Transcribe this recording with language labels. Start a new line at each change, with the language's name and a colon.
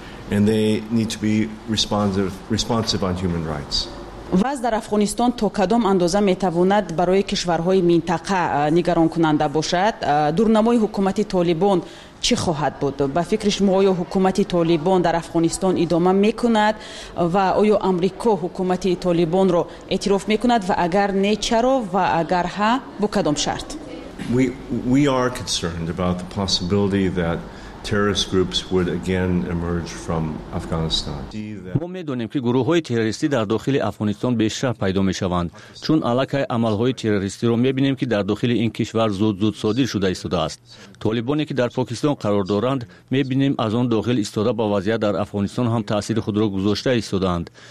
English: and they need to be responsive on human rights.
Persian: وضع در افغانستان تا کدام اندازه میتواند برای کشورهای منطقه نگران کننده باشد؟ دورنمای حکومت طالبان چی خواهد بود؟ به فکر شما آیا حکومت طالبان در افغانستان ادامه میکند و آیا آمریکا حکومت طالبان را اعتراف میکند و اگر نه چرا و اگر ها با کدام شرط؟
English: We are concerned about the possibility that terrorist groups would again emerge from Afghanistan.
Tajik: Мо медонем ки гурӯҳҳои террористӣ дар дохили Афғонистон бешаҳ пайдо мешаванд, чун алакай амалҳои террористиро мебинем ки дар дохили ин кишвар зуд-зуд содир шуда истодааст. Толибоне ки дар Покистон қарор доранд, мебинем аз он дохил истода ба вазъият дар Афғонистон ҳам таъсири худро гузошта истодаанд.